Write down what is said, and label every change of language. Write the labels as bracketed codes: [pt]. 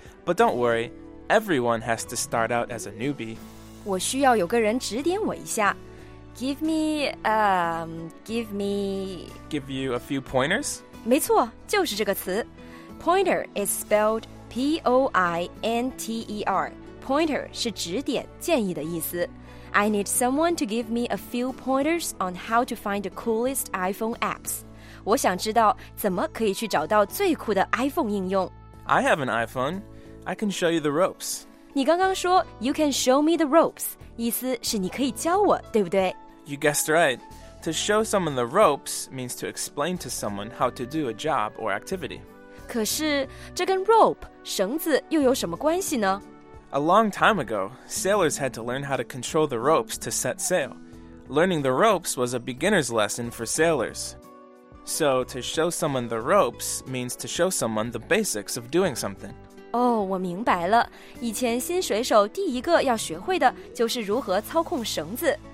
[en] But don't worry, everyone has to start out as a newbie. [zh] 我需要有个人指点我一下。 [en] Give me, give me... Give you a few pointers? [zh] 没错，就是这个词。 [en] Pointer is spelled P-O-I-N-T-E-R. [zh] Pointer 是指点、建议的意思。 [en] I need someone to give me a few pointers on how to find the coolest iPhone apps. [zh] 我想知道怎么可以去找到最酷的 iPhone 应用。 [en] I have an iPhone. I can show you the ropes. [zh] 你刚刚说 [en] you can show me the ropes, [zh] 意思是你可以教我，对不对？ [en] You guessed right. To show someone the ropes means to explain to someone how to do a job or activity. [zh] 可是这跟 rope 绳子又有什么关系呢？ [en] A long time ago, sailors had to learn how to control the ropes to set sail. learning the ropes was a beginner's lesson for sailors. So to show someone the ropes means to show someone the basics of doing something. [zh] 哦，我明白了。以前新水手第一个要学会的就是如何操控绳子。